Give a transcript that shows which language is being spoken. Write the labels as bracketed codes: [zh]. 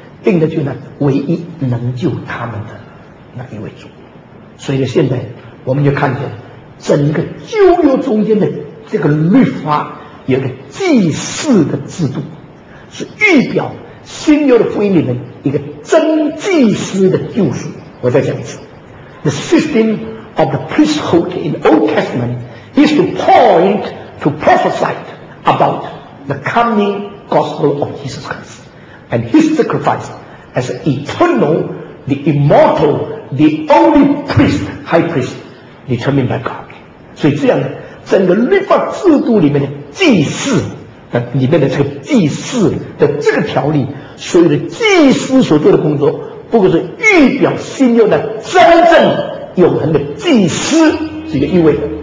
[zh] 定的就是那唯一能救他们的那一位主。所以现在我们就看见整个旧约中间的这个律法有个祭祀的制度，是预表新约的福音里面一个真祭司的救赎。我再讲一次， [en] The system of the priesthood in the Old Testament is to point to prophesy about the comingGospel of Jesus Christ and His sacrifice as eternal, the immortal, the only priest, high priest, determined by God. [zh] 所以这样，整个律法制度里面的祭祀，里面的这个祭祀的这个条例，所有的祭司所做的工作，不过是预表新约的真正永恒的祭司这个意味的。